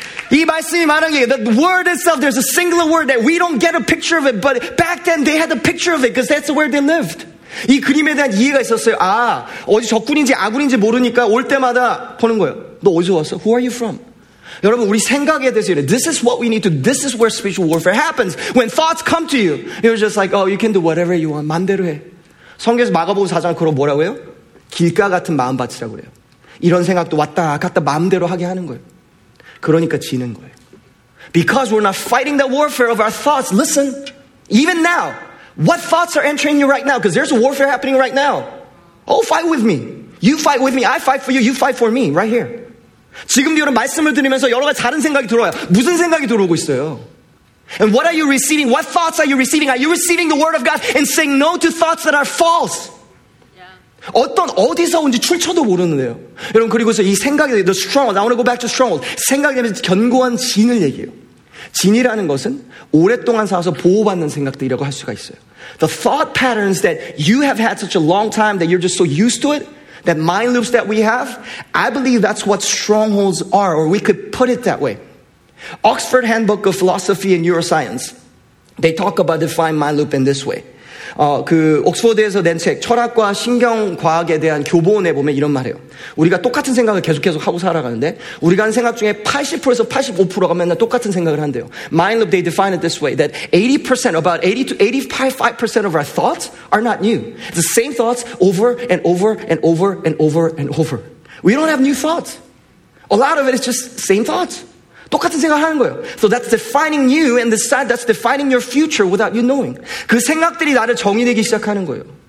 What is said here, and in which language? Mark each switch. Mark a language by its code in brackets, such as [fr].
[ko] 이 말씀이 말한 게, [en] the word itself, there's a singular word that we don't get a picture of it, but back then they had a picture of it because that's where they lived. [ko] 이 그림에 대한 이해가 있었어요. 아, 어디 적군인지 아군인지 모르니까 올 때마다 보는 거예요. 너 어디서 왔어? [en] Who are you from? [ko] 여러분, 우리 생각에 대해서 이래. [en] This is what we need to, this is where spiritual warfare happens. When thoughts come to you, you're just like, oh, you can do whatever you want. [ko] 마음대로 해. 성경에서 마가복음 4장 그럼 뭐라고 해요? 길가 같은 마음밭이라고 그래요. 이런 생각도 왔다 갔다 마음대로 하게 하는 거예요. 그러니까 지는 거예요. [en] Because we're not fighting the warfare of our thoughts. Listen, even now, what thoughts are entering you right now? Because there's a warfare happening right now. Oh, fight with me. You fight with me. I fight for you. You fight for me. Right here. [ko] 지금도 여러분 말씀을 드리면서 여러 가지 다른 생각이 들어와요. 무슨 생각이 들어오고 있어요? [en] And what are you receiving? What thoughts are you receiving? Are you receiving the word of God and saying no to thoughts that are false? [ko] 어떤 어디서 온지 출처도 모르는데요. 여러분 그리고서 이 생각이 [en] the stronghold. I want to go back to stronghold. [ko] 생각이 되면서 견고한 진을 얘기해요. 진이라는 것은 오랫동안 살아서 보호받는 생각들이라고 할 수가 있어요. [en] The thought patterns that you have had such a long time that you're just so used to it, that mind loops that we have, I believe that's what strongholds are, or we could put it that way. Oxford Handbook of Philosophy and Neuroscience, they talk about defining mind loop in this way. [ko] 그 옥스퍼드에서 낸 책 철학과 신경과학에 대한 교본에 보면 이런 말해요. 우리가 똑같은 생각을 계속 하고 살아가는데 우리가 하는 생각 중에 80%에서 85%가 맨날 똑같은 생각을 한대요. [en] Mind loop, they define it this way, that 80%, about 80 to 85% of our thoughts are not new. The same thoughts over and over and over and over and over. We don't have new thoughts. A lot of it is just same thoughts. [ko] 똑같은 생각을 하는 거예요. [en] So that's defining you and decide that's defining your future without you knowing. [ko] 그 생각들이 나를 정의되기 시작하는 거예요.